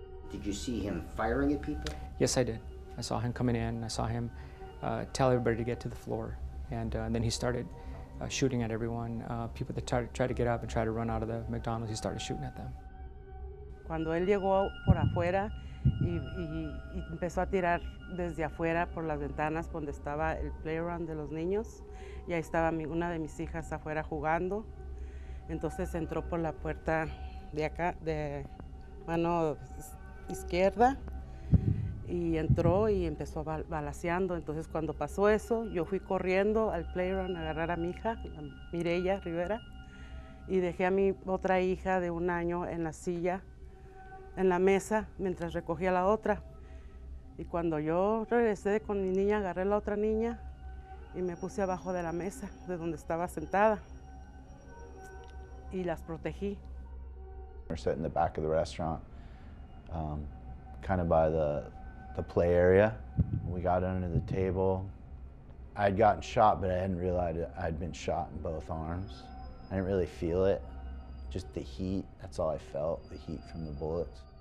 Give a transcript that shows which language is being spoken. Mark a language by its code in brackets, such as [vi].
[en] Did you see him firing at people? Yes, I did. I saw him coming in. I saw him tell everybody to get to the floor. And then he started shooting at everyone. People that tried to get up and tried to run out of the McDonald's, he started shooting at them. [es] Cuando él llegó por afuera y empezó a tirar desde afuera por las ventanas donde estaba el playground de los niños, y ahí estaba una de mis hijas afuera jugando. Entonces entró por la puerta de acá, de mano izquierda, y entró y empezó balaceando. Entonces cuando pasó eso, yo fui corriendo al playground a agarrar a mi hija, Mireya Rivera, y dejé a mi otra hija de un año en la silla, en la mesa, mientras recogía la otra. Y cuando yo regresé con mi niña, agarré a la otra niña y me puse abajo de la mesa, de donde estaba sentada, y las protegí. [en] We're sitting in the back of the restaurant, kind of by the play area. We got under the table. I'd gotten shot, but I hadn't realized I'd been shot in both arms. I didn't really feel it. Just the heat, that's all I felt, the heat from the bullets.